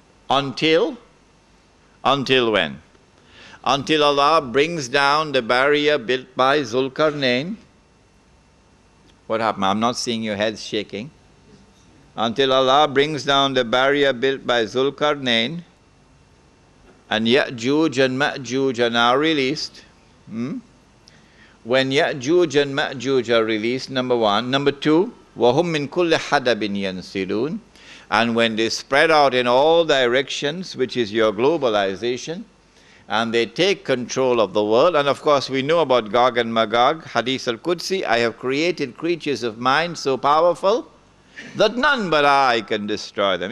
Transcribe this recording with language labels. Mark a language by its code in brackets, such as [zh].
[en] Until when? Until Allah brings down the barrier built by Zulkarnain. What happened? I'm not seeing your heads shaking. Until Allah brings down the barrier built by Zulkarnain. And Ya'juj and Ma'juj are now released. When Ya'juj and Ma'juj are released, number one. Number two, [ar] وَهُمْ مِنْ كُلِّ حَدَبٍ يَنْسِلُونَ. [en] And when they spread out in all directions, which is your globalization, and they take control of the world. And of course, we know about Gog and Magog, Hadith al-Qudsi, I have created creatures of mind so powerful that none but I can destroy them.